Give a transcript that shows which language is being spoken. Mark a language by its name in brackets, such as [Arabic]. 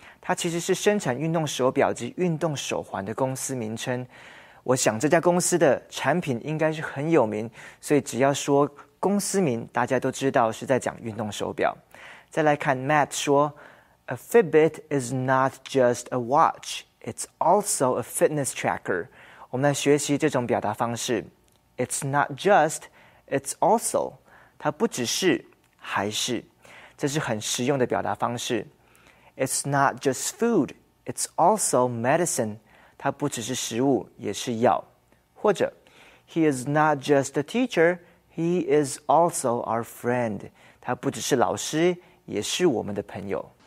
[Chinese] 它其实是生产运动手表及运动手环的公司名称。我想这家公司的产品应该是很有名，所以只要说公司名大家都知道是在讲运动手表。再来看 Matt 说 [English] A Fitbit is not just a watch, it's also a fitness tracker. [Chinese] 我们来学习这种表达方式。 [English] It's not just, it's also. [Chinese] 它不只是还是。这是很实用的表达方式。 [English] It's not just food, it's also medicine. [Chinese] 它不只是食物也是药。或者 [English] He is not just a teacher,He is also our friend. [Chinese] 他不只是老师，也是我们的朋友。